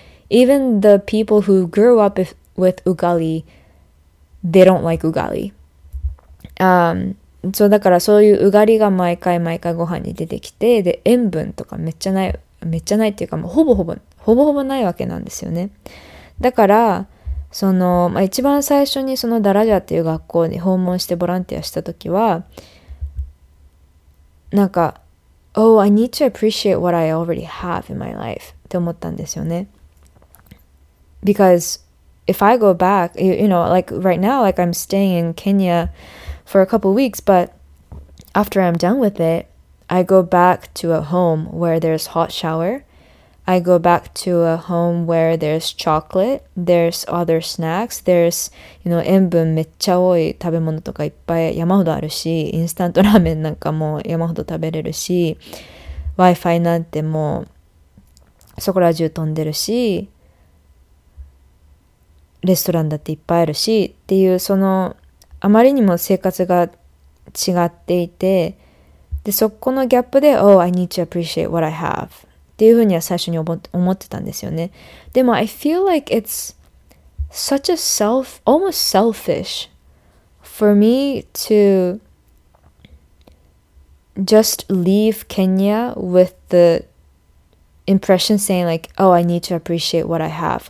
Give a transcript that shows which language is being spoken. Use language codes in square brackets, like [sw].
[en] Even the people who grew up with ugali, they don't like ugali. [ja] So, だからそういうugaliが毎回毎回ご飯に出てきて、で、塩分とかめっちゃないっていうか、もうほぼほぼないわけなんですよね。だから、その、まあ、一番最初にそのダラジャっていう学校に訪問してボランティアしたときは、なんか、 [en] Oh, I need to appreciate what I already have in my life. [ja] って思ったんですよね。 [en] Because if I go back, you know, like right now, like I'm staying in Kenya for a couple weeks, but after I'm done with it, I go back to a home where there's hot shower. I go back to a home where there's chocolate, there's other snacks, there's, you know, [ja] 塩分めっちゃ多い食べ物とかいっぱい山ほどあるし、インスタントラーメンなんかも山ほど食べれるし、Wi-Fi なんてもうそこら中飛んでるし、レストランだっていっぱいあるしっていう、そのあまりにも生活が違っていて、でそこのギャップで、 [en] Oh, I need to appreciate what I have. [ja] っていうふうには最初に思ってたんですよね。 [en] でも I feel like it's such a self, almost selfish for me to just leave Kenya with the impression saying like, oh, I need to appreciate what I have.